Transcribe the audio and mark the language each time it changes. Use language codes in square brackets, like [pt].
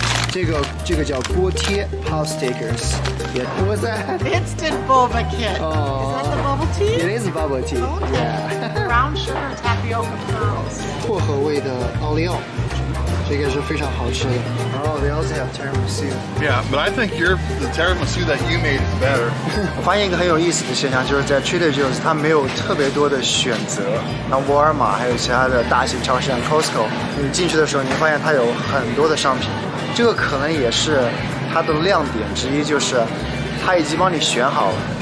[zh] 这个叫锅贴 [en] house takers. Yeah, what was that? Instant boba kit. Oh, is that the bubble tea? It is bubble tea. Okay. Yeah. Brown sugar tapioca pearls. [zh] 薄荷味的奥利奥，这个是非常好吃的。 [en] Oh, they also have tiramisu. Yeah, but I think the tiramisu that you made is better. [zh] 我发现一个很有意思的现象，就是在 Trader Joe's 它没有特别多的选择。那沃尔玛还有其他的大型超市，像 Costco， 你进去的时候，你会发现它有很多的商品。这个可能也是它的亮点之一，就是它已经帮你选好了。